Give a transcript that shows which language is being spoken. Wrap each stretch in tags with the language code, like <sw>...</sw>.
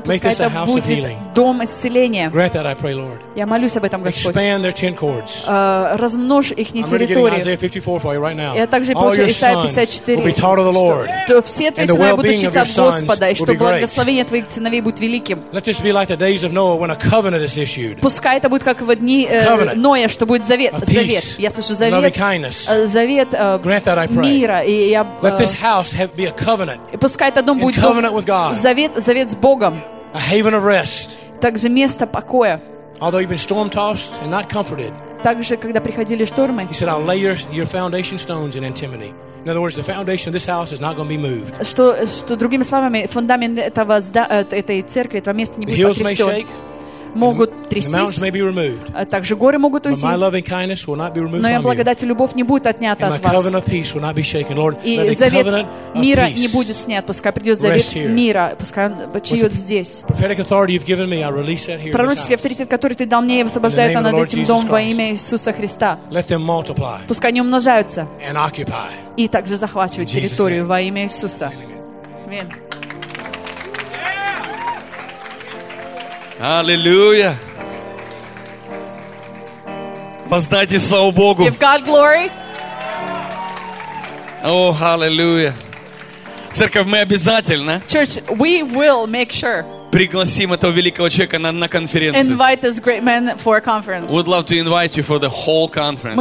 <en>Make this a house of healing.</en> <ru>Дом исцеления.</ru> <en>Grant that, I pray, Lord.</en> <ru>Я молюсь об этом, Господь.</ru> <en>Expand their ten cords.</en> <ru>Размножь их территории.</ru> <en>I'm getting Isaiah 54 for you right now.</en> <ru>Я также получу Исаия 54.</ru> <en>Will be taught of the Lord.</en> <ru>Все твои сыновья будут учиться от Господа, и что благословение твоих сыновей будет великим.</ru> <en>Let this be like the days of Noah when a covenant is issued.</en> <ru>Пускай это будет как в дни Ноя, что будет завет. Завет. Я слышу завет.</ru> <en>Loving kindness.</en> <ru>Завет.</ru> <en>Grant that, I pray.</en> <ru>Мира. И я.</ru> <en>Let this house have be a covenant.</en> <ru>И пускай этот дом будет</ru> <en>covenant with God.</en> <ru>Завет. Завет с Богом.</ru> <en>A haven of rest.</en> <ru>Также место покоя.</ru> <en>Although you've been storm-tossed and not comforted.</en> <ru>Также когда приходили штормы.</ru> <en>He said, "I'll lay your foundation stones in intimacy." In other words, the foundation of this house is not going to be moved.</en> <ru>Что другими словами, фундамент этого этой церкви, этого места не будет потрясен.</ru> <en>The hills may shake.</en> <ru>Могут трястись.</ru> <en>The mountains may be removed.</en> <ru>Также горы могут уйти.</ru> <en>But my loving kindness will not be removed from</en> <ru>Но благодать и любовь не будет отнята от вас.</ru> <en>And my covenant of peace will not be shaken, Lord.</en> <ru>И завет мира не будет снят, пускай придет завет мира, пускай он чиет здесь.</ru> <en>Prophetic authority you've given me, I release that here.</en> <ru>Пророческий авторитет, который ты дал мне, я высвобождаю это над этим домом во имя Иисуса Христа.</ru> <en>Let them multiply.</en> <ru>Пускай они умножаются.</ru> <en>And occupy.</en> <ru>И также захватывают территорию во имя Иисуса.</ru> <en>Amen.</en> <ru>Аллилуйя! Воздайте славу Богу!</ru> <en>Give God glory!</en> <ru>О, аллилуйя! Церковь, мы обязательно</ru> <en>Church, we will make sure</en> <ru>пригласим этого великого человека на конференцию.</ru> <en>Invite this great man for a conference. We'd love to invite you for the whole conference.</en>